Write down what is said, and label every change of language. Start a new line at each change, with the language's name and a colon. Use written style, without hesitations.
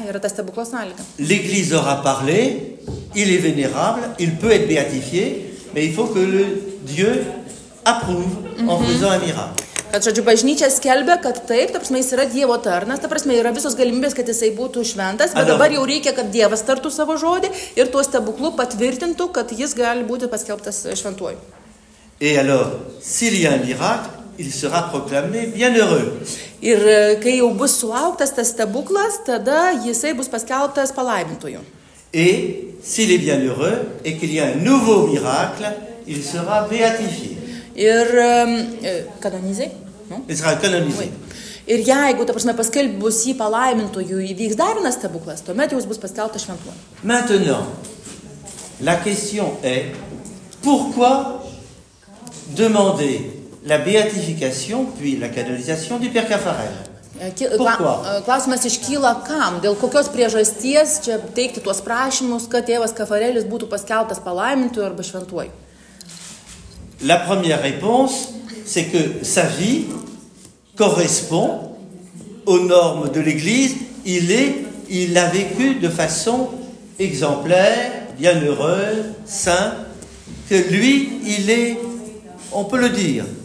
Lithuanian: Yra ta stebuklos sąlyga.
French: L'Église aura parlé, il est vénérable, il peut être béatifié, mais il faut que le Dieu approuve en faisant un miracle.
Lithuanian: Kad, žodžiu, bažnyčia skelbia, kad taip, ta prasme, jis yra Dievo tarnas, ta prasme, yra visos galimybės, kad jisai būtų šventas, bet dabar jau reikia, kad Dievas tartų savo žodį ir tuo stebuklu patvirtintų, kad jis gali būti paskelbtas šventuoju.
French: Et alors, s'il y a un miracle, il sera proclamé bienheureux.
Lithuanian: Ir kai jau bus sulauktas tas stebuklas, tada jisai bus paskelbtas palaimintuoju.
French: Et s'il est bienheureux et qu'il y a un nouveau miracle, il sera béatifié.
Lithuanian: Ir
French: canonisé, non? Il sera canonisé.
Lithuanian: Ir jeigu, ta prasme, paskelbus jį palaimintuoju, įvyks dar vienas stebuklas, tuomet jis bus paskelbtas šventuoju.
French: Maintenant, la question est pourquoi demander la béatification puis la canonisation du père Caffarel? Pourquoi?
Lithuanian: Klausimas iškyla kam, dėl kokios priežasties čia teikti tuos prašymus, kad tėvas Caffarelis būtų paskelbtas palaimintuoju arba šventuoju?
French: La première réponse, c'est que sa vie correspond aux normes de l'Église. Il a vécu de façon exemplaire, bienheureux, saint, que lui, il est, on peut le dire.